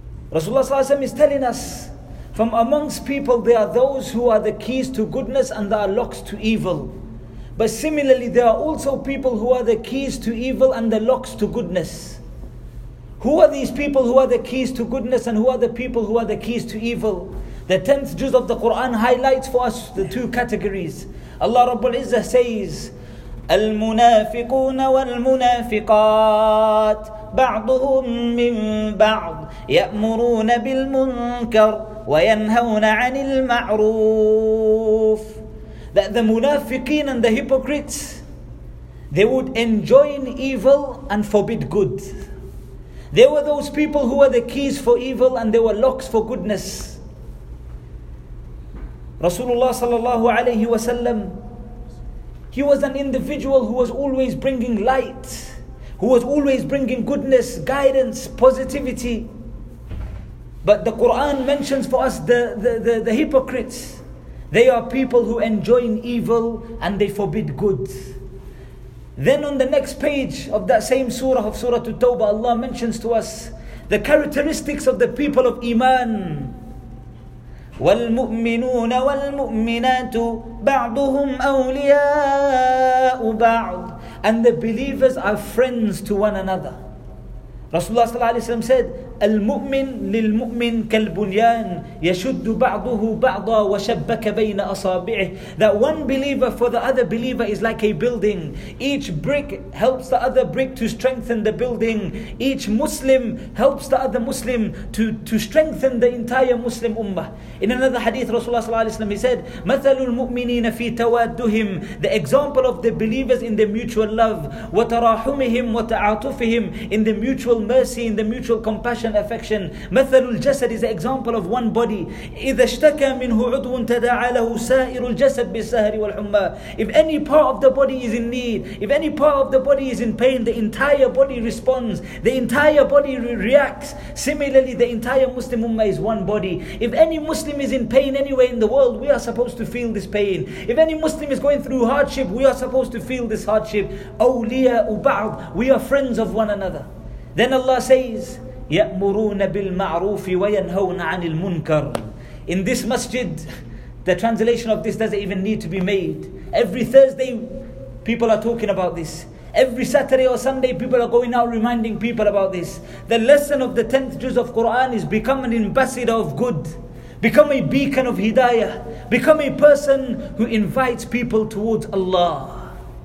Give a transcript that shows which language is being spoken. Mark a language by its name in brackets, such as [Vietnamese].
[English] Rasulullah ﷺ is telling us, from amongst people there are those who are the keys to goodness and there are locks to evil. But similarly, there are also people who are the keys to evil and the locks to goodness. Who are these people who are the keys to goodness and who are the people who are the keys to evil? The 10th juz of the Quran highlights for us the two categories. Allah Rabbul Izzah says, [Arabic] المنافقون والمنافقات بعضهم من بعض يأمرون بالمنكر وينهون عن المعروف. [English] That the munafiqeen and the hypocrites, they would enjoin evil and forbid good. They were those people who were the keys for evil and they were locks for goodness. Rasulullah sallallahu alayhi wa sallam, he was an individual who was always bringing light, who was always bringing goodness, guidance, positivity. But the Quran mentions for us the hypocrites. They are people who enjoin evil and they forbid good. Then on the next page of that same surah, of Surah At-Tawbah, Allah mentions to us the characteristics of the people of Iman. [Arabic] وَالْمُؤْمِنُونَ وَالْمُؤْمِنَاتُ بَعْضُهُمْ أَوْلِيَاءُ بَعْضٍ. [English] And the believers are friends to one another. [Arabic] Rasulullah sallallahu alayhi wa sallam said, المؤمن للمؤمن كالبنيان يشد بعضه بعضا وشبك بين أصابعه. [English] That one believer for the other believer is like a building. Each brick helps the other brick to strengthen the building. Each Muslim helps the other Muslim to strengthen the entire Muslim ummah. In another hadith, Rasulullah sallallahu alaihi wasallam, he said, [Arabic] مثل المؤمنين في توادهم. [English] The example of the believers in the mutual love, [Arabic] وتراحمهم وتعاطفهم, [English] in the mutual mercy, in the mutual compassion. Passion, affection. [Arabic] مثل الجسد [English] is an example of one body. [Arabic] إذا اشتكى منه عضو تداعى له سائر الجسد بالسهر والحمى. [English] If any part of the body is in need, if any part of the body is in pain, the entire body responds, the entire body reacts. Similarly, the entire Muslim ummah is one body. If any Muslim is in pain anywhere in the world, we are supposed to feel this pain. If any Muslim is going through hardship, we are supposed to feel this hardship. [Arabic] أولياء بعض. [English] We are friends of one another. Then Allah says, [Arabic] يَأْمُرُونَ بِالْمَعْرُوفِ وَيَنْهَوْنَ عَنِ الْمُنْكَرِ. [English] In this masjid, the translation of this doesn't even need to be made. Every Thursday, people are talking about this. Every Saturday or Sunday, people are going out reminding people about this. The lesson of the 10th juz of Quran is become an ambassador of good. Become a beacon of hidayah. Become a person who invites people towards Allah.